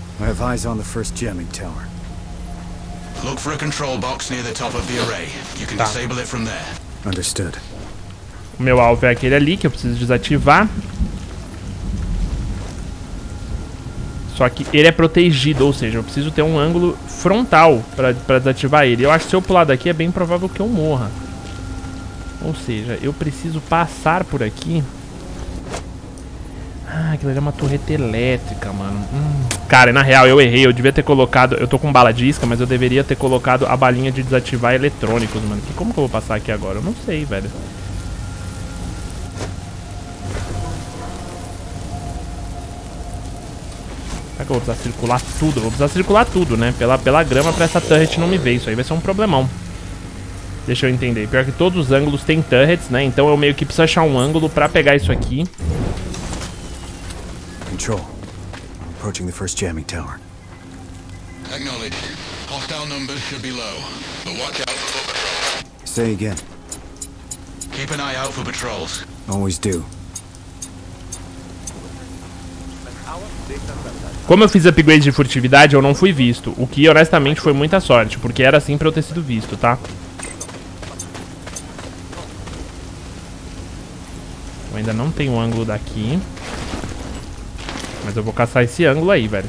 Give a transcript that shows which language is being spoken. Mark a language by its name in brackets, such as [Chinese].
[English] I have eyes on the first jamming tower. Look for a control box near the top of the array. You can disable it from there. Understood. [Portuguese] O meu alvo é aquele ali que eu preciso desativar. Só que ele é protegido, ou seja, eu preciso ter um ângulo frontal para desativar ele. Eu acho que se eu pular daqui é bem provável que eu morra. Ou seja, eu preciso passar por aqui. Ah, aquilo ali é uma torreta elétrica, mano. Cara, na real, eu errei. Eu devia ter colocado... Eu tô com bala disca, mas eu deveria ter colocado a balinha de desativar eletrônicos, mano. Como que eu vou passar aqui agora? Eu não sei, velho. Será que eu vou precisar circular tudo? Eu vou precisar circular tudo, né? Pela grama pra essa turret não me ver. Isso aí vai ser um problemão. Deixa eu entender. Pior que todos os ângulos têm turrets, né? Então eu meio que preciso achar um ângulo pra pegar isso aqui. [English] Approaching the first jamming tower. Acknowledged. Hostile numbers should be low, but watch out for patrols. Say again. Keep an eye out for patrols. Always do. [Portuguese] Como eu fiz upgrade de furtividade, eu não fui visto. O que, honestamente, foi muita sorte, porque era assim para eu ter sido visto, tá? Eu ainda não tenho ângulo daqui. Mas eu vou caçar esse ângulo aí, velho.